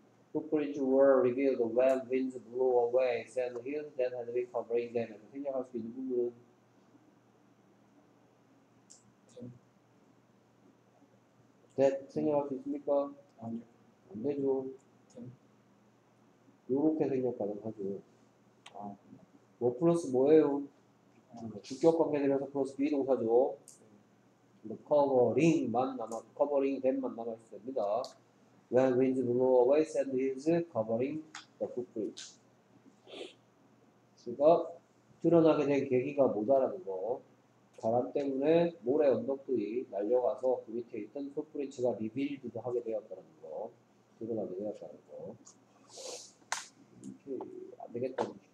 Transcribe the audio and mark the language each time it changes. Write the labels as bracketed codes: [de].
[en] Footprints were revealed when winds blew away sand hills that had been covering them. [ko] 생략할 수 있는 부분은 that 생략할 수 있습니까? 아니요. 안 되죠. 요렇게 생략 가능하죠. 아, 뭐 플러스 뭐예요? 주격관계들에서 플러스 비동사죠. 커버링만 남아, 커버링 됨만 남아 있습니다. [en] When winds blow away, sand is covering the footprints. [ko] 그러니까 드러나게 된 계기가 뭐다라는 거. 바람 때문에 모래 언덕들이 날려가서 그 밑에 있던 풋프린츠가 리빌드도 하게 되었다는 거. 드러나게 되었다는 거. 이렇게 안 되겠다.